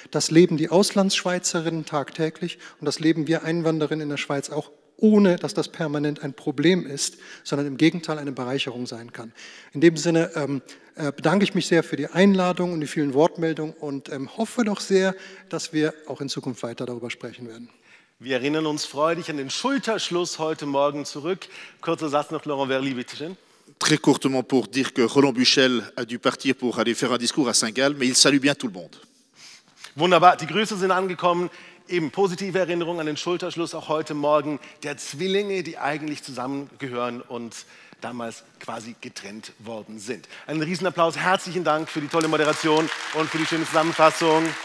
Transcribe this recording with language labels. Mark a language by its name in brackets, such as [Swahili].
[German] Das leben die Auslandsschweizerinnen tagtäglich und das leben wir Einwandererinnen in der Schweiz auch, ohne dass das permanent ein Problem ist, sondern im Gegenteil eine Bereicherung sein kann. In dem Sinne bedanke ich mich sehr für die Einladung und die vielen Wortmeldungen und hoffe doch sehr, dass wir auch in Zukunft weiter darüber sprechen werden. Wir erinnern uns freudig an den Schulterschluss heute Morgen zurück. Kurzer Satz noch, Laurent Verly, bitte schön. [French] Très courtement pour dire que Roland Buchel a dû partir pour aller faire un discours à Saint-Gall, mais il salue bien tout le monde. [German] Wunderbar, die Grüße sind angekommen. Eben positive Erinnerung an den Schulterschluss auch heute Morgen der Zwillinge, die eigentlich zusammengehören und damals quasi getrennt worden sind. Einen Riesenapplaus, herzlichen Dank für die tolle Moderation und für die schöne Zusammenfassung.